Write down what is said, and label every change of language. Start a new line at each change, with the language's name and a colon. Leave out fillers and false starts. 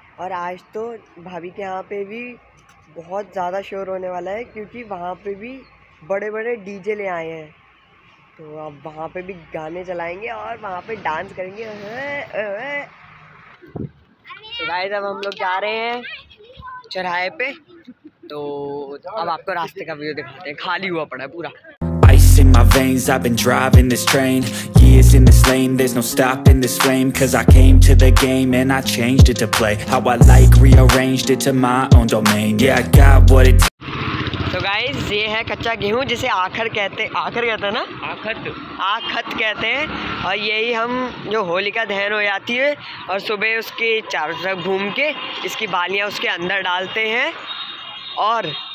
Hindi: और आज तो भाभी के यहाँ पे भी बहुत ज़्यादा शोर होने वाला है, क्योंकि वहाँ पे भी बड़े बड़े डीजे ले आए हैं, तो अब वहाँ पे भी गाने चलाएंगे और वहाँ पे डांस करेंगे। तो गाइस, अब हम लोग जा रहे हैं चौराहे पे, तो अब आपको रास्ते का व्यू दिखाते हैं, खाली हुआ पड़ा है पूरा।
English: In my veins, I've been driving this train. Years in this lane, there's no stopping this flame. 'Cause I came to the game and I changed it to play. How I like, rearranged it to my own domain. Yeah, I got what it.
Hindi: So guys, ये है कच्चा गेहूँ, जिसे आखर कहते हैं ना? आखत कहते हैं। और यही हम जो होली का दहन हो जाती है और सुबह उसके चारों तरफ घूम के इसकी बालियाँ उसके अंदर डालते हैं और